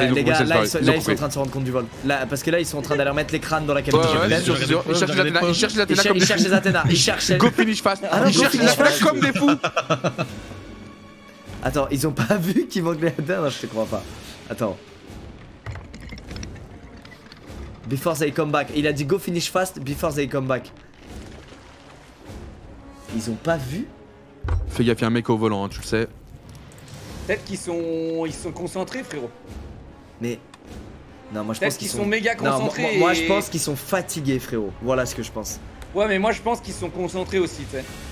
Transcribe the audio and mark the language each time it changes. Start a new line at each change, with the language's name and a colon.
French: Les gars là ils sont en train de se rendre compte du vol. Parce que là ils sont en train d'aller mettre les crânes dans la cabine. Ils cherchent les Athéna comme des fous.
English: Go finish fast.
French: Ils cherchent les Athéna comme des fous. Attends, ils ont pas vu qu'ils manquaient les Athéna, je te crois pas. Attends.
English: Before they come back.
French: Il a dit
English: go finish fast before they come back.
French: Ils ont pas vu. Fais gaffe, y'a un mec au volant, hein, tu le sais. Peut-être qu'ils sont. Ils sont concentrés, frérot. Mais. Non, moi je pense qu'ils sont méga concentrés. Non, moi je pense qu'ils sont fatigués, frérot. Voilà ce que je pense. Ouais, mais moi je pense qu'ils sont concentrés aussi, tu sais.